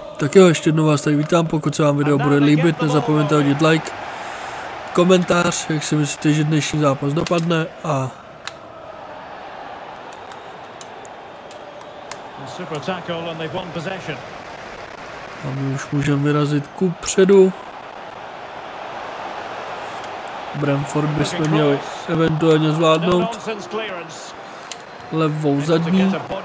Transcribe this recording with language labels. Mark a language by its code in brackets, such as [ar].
[cs] Tak jo, ještě jednou vás tady vítám. Pokud se vám video bude líbit, nezapomeňte hodit like, komentář, jak si myslíte, že dnešní zápas dopadne a... [en] Super tackle and they've won possession. [cs] A my už můžeme vyrazit ku předu. Brentford bychom měli eventuálně zvládnout. Levou zadní.